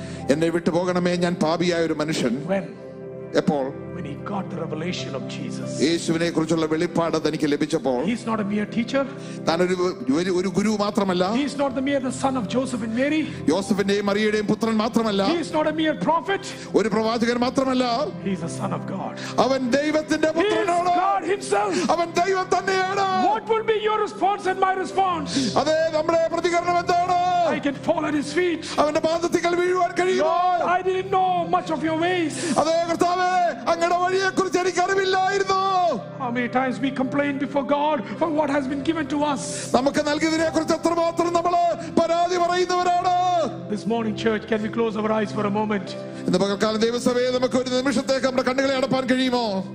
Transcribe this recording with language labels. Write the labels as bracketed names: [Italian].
[Malayalam] എന്നെ വിട്ടു പോകണമേ, ഞാൻ പാപിയായ ഒരു മനുഷ്യൻ. [English] When he got the revelation of Jesus, [Malayalam] യേശുവിനെ കുറിച്ചുള്ള വെളിപ്പാട് തനിക്ക് ലഭിച്ചപ്പോൾ, [English] he is not a mere teacher. [Malayalam] താനൊരു ഗുരു മാത്രമല്ല. [English] He is not the mere the son of Joseph and Mary. [Malayalam] യോസഫിന്റെയും മറിയയുടെയും പുത്രൻ മാത്രമല്ല. [English] He is not a mere prophet. [Malayalam] ഒരു പ്രവാചകൻ മാത്രമല്ല. [English] He is a son of God. [Malayalam] അവൻ ദൈവത്തിന്റെ പുത്രനാണ്. [English] He is God himself. [Malayalam] അവൻ ദൈവം തന്നെയാണ്. [English] What will be your response and my response? [Malayalam] അതെ, നമ്മുടെ പ്രതികരണം എന്താണ്? [English] I can fall at his feet. [Malayalam] അവന്റെ പാദത്തിൽ വീഴുവാൻ കഴിയുമോ? [English] Lord, I didn't know much of your ways. [Malayalam] അതെ കർത്താവേ, അങ്ങയുടെ വഴിയെ കുറിച്ച് എനിക്കറിവില്ലായിരുന്നു. [English] How many times we complain before God for what has been given to us? [Malayalam] നമുക്ക് നൽകിയതിനെ കുറിച്ച് എത്രമാത്രം നമ്മൾ പരാതി പറയുന്നവരാണ്. [English] This morning, church, can we close our eyes for a moment? [Malayalam] ഇന്ന് പകൽക്കാലം ദൈവസഭയെ നമുക്ക് ഒരു നിമിഷത്തേക്ക് നമ്മുടെ കണ്ണുകളെ അടപ്പാൻ കഴിയുമോ?